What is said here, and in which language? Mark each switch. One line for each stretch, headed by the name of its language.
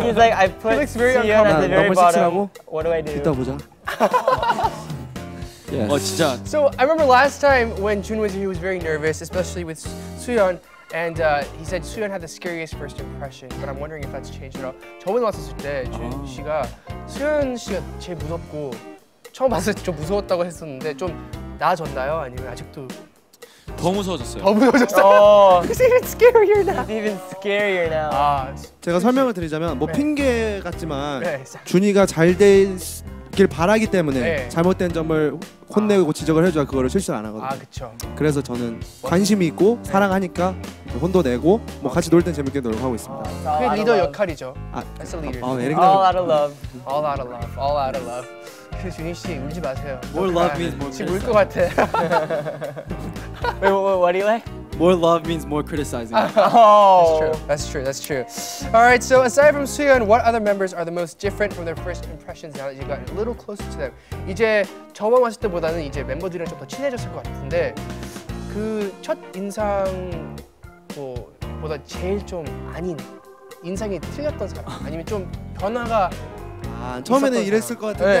English: He's like, I put Sion at the very bottom. What do I do?
Korean: 이따 보자.
English: Yes. Oh,
Korean: 진짜.
English: So I remember last time when Jun was here, he was very nervous, especially with Sion. And he said Sion had the scariest first impression. But I'm wondering if that's changed at all.
Korean: 처음에 왔었을 때 준 씨가 수현 씨가 제일 무섭고 처음 봤을 때 좀 무서웠다고 했었는데 좀 나아졌나요? 아니면 아직도 더 무서워졌어요. 더 무서워졌어요.
English: He's even scarier now. He's even scarier now.
Korean: 아, 제가 설명을 드리자면 뭐 핑계 같지만 준이가 잘 될 길 바라기 때문에 네. 잘못된 점을 혼내고 아. 지적을 해줘야 그거를 실시간 안 하거든요. 아 그렇죠. 그래서 저는 관심이 있고 네. 사랑하니까 혼도 내고 뭐 같이 놀 땐 재밌게 놀고 하고 있습니다. 그게 리더 역할이죠. 아,
English: That's a leader. All out of love. All out of love. All out of love.
Korean: 그 준희 씨 울지 마세요.
English: More love means more.
Korean: 지금 울 것 같아.
English: Wait, what do you like? More love means more criticizing. That's true. All right, so aside from Suyeon, what other members are the most different from their first impressions now that you've gotten a little closer to them?
Korean: 이제 처음 왔을 때보다는 이제 멤버들이랑 좀 더 친해졌을 것 같은데 그 첫 인상 뭐, 보다 제일 좀 아닌 인상이 틀렸던 사람 아니면 좀 변화가 아, 처음에는 이랬을 것 같은데 네.